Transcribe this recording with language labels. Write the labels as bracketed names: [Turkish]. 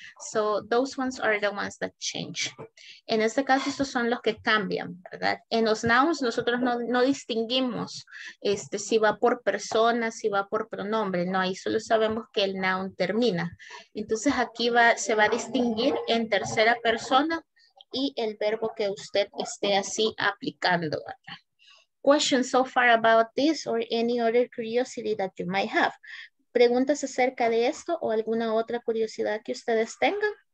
[English] So those ones are the ones that change. [Spanish] En este caso, estos son los que cambian, ¿verdad? En los nouns, nosotros no distinguimos si va por persona, si va por pronombre, no, ahí solo sabemos que el noun termina. Entonces aquí se va a distinguir en tercera persona y el verbo que usted esté así aplicando, ¿verdad? [English] Questions so far about this or any other curiosity that you might have. [Spanish] ¿Preguntas acerca de esto o alguna otra curiosidad que ustedes tengan?